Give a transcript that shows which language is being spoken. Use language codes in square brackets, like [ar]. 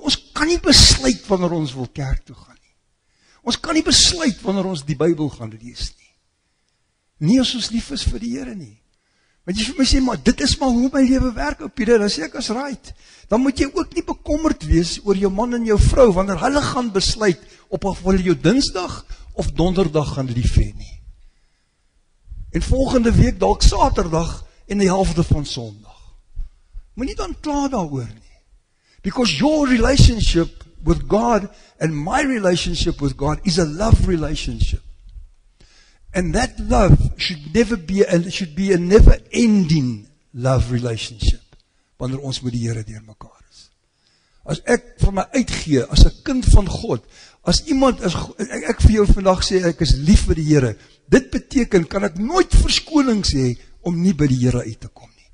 [af] Ons kan nie besluit wanneer ons wil kerk toe gaan. Ons kan nie besluit wanneer ons die Bybel gaan lees nie. Nie as ons lief is vir die Here nie. Want jy vir my sê, maar dit is maar hoe my lewe werk, ou Pieter, dan sê ek as right. Dan moet jy ook nie bekommerd wees oor jou man en jou vrou, wanneer hulle gaan besluit op of hulle jou Dinsdag of Donderdag gaan lief hê nie. En volgende week dalk Saterdag en die helfte van Sondag. Moenie dan kla daaroor nie. [en] Because your relationship with God and my relationship with God is a love relationship. And that love should never be and it should be a never ending love relationship. [af] Wanneer ons met die Here deur mekaar is. As ek van my uitgee as 'n kind van God, as iemand as ek vir jou vandag sê ek is lief vir die Here, dit beteken kan ek nooit verskonings hê om nie by die Here uit te kom.